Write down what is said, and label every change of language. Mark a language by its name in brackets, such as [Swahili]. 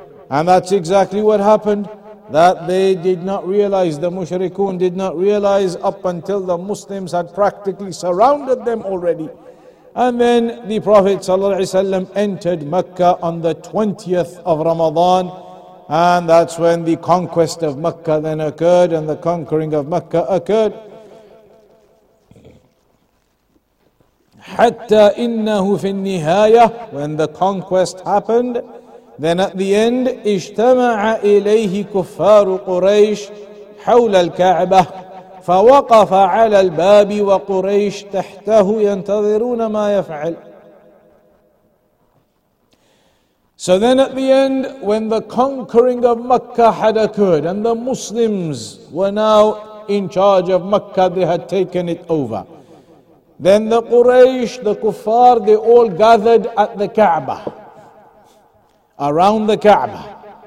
[English] And that's exactly what happened. That they did not realize, the mushrikun did not realize up until the Muslims had practically surrounded them already. And then the Prophet ﷺ entered Mecca on the 20th of Ramadan, And that's when the conquest of Makkah then occurred and the conquering of Makkah occurred. [Arabic] حتى إنه في النهاية, [English] when the conquest happened, then at the end, [Arabic] اجتمع إليه كفار قريش حول الكعبة فوقف على الباب وقريش تحته ينتظرون ما يفعل. [English] So then at the end, when the conquering of Makkah had occurred and the Muslims were now in charge of Makkah, they had taken it over. Then the Quraysh, the Kuffar, they all gathered at the Kaaba, around the Kaaba.